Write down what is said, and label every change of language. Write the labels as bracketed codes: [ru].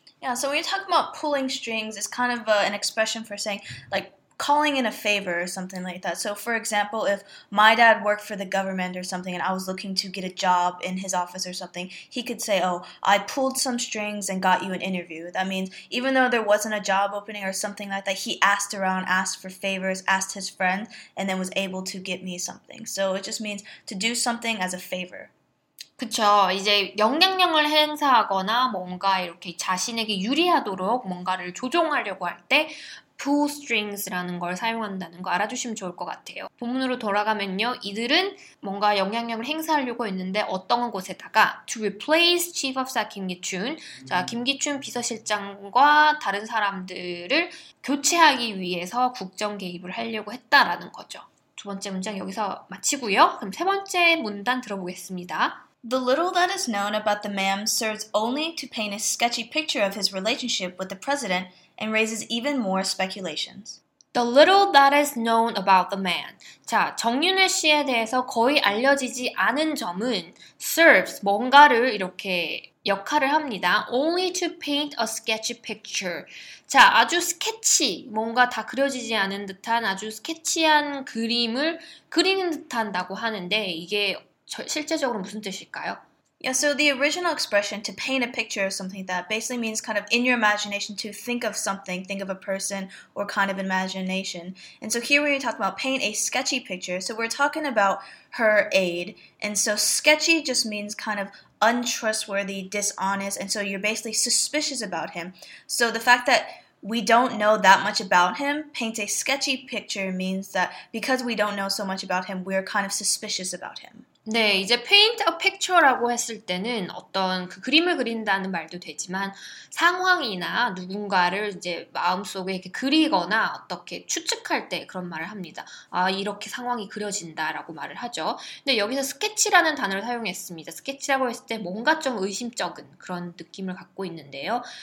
[en] Yeah, so when you talk about pulling strings, it's kind of an expression for saying like calling in a favor or something like that. So for example, if my dad worked for the government or something and I was looking to get a job in his office or something, he could say, oh, I pulled some strings and got you an interview. That means even though there wasn't a job opening or something like that, he asked around, asked for favors, asked his friend, and then was able to get me something. So it just means to do something as a favor. [ko] 그렇죠. 이제 영향력을 행사하거나 뭔가 이렇게 자신에게 유리하도록 뭔가를 조종하려고 할 때 [en] pull strings [ko] 라는 걸 사용한다는 거 알아주시면 좋을 것 같아요. 본문으로 돌아가면요. 이들은 뭔가 영향력을 행사하려고 했는데 어떤 곳에다가 [en] to replace chief of staff [ko] 김기춘. 자, 김기춘 비서실장과 다른 사람들을 교체하기 위해서 국정 개입을 하려고 했다라는 거죠. 두 번째 문장 여기서 마치고요. 그럼 세 번째 문단 들어보겠습니다. [en] The little that is known about the man serves only to paint a sketchy picture of his relationship with the president and raises even more speculations. The little that is known about the man. [ko] 자, 정윤혜 씨에 대해서 거의 알려지지 않은 점은 serves, 뭔가를 이렇게 역할을 합니다. [en] Only to paint a sketchy picture. [ko] 자, 아주 스케치, 뭔가 다 그려지지 않은 듯한 아주 스케치한 그림을 그리는 듯한다고 하는데 이게 실제적으로 무슨 뜻일까요? [en] Yeah, so the original expression to paint a picture of something that basically means kind of in your imagination to think of something, think of a person or kind of imagination. And so here we're talking about paint a sketchy picture. So we're talking about her aide. And so sketchy just means kind of untrustworthy, dishonest. And so you're basically suspicious about him. So the fact that we don't know that much about him, paint a sketchy picture means that because we don't know so much about him, we're kind of suspicious about him. [ko] 네, 이제 [en] paint a picture [ko] 라고 했을 때는 어떤 그 그림을 그린다는 말도 되지만 상황이나 누군가를 이제 마음속에 이렇게 그리거나 어떻게 추측할 때 그런 말을 합니다. 아, 이렇게 상황이 그려진다라고 말을 하죠. 근데 여기서 sketch라는 단어를 사용했습니다. sketch라고 했을 때 뭔가 좀 의심적인 그런 느낌을 갖고 있는데요.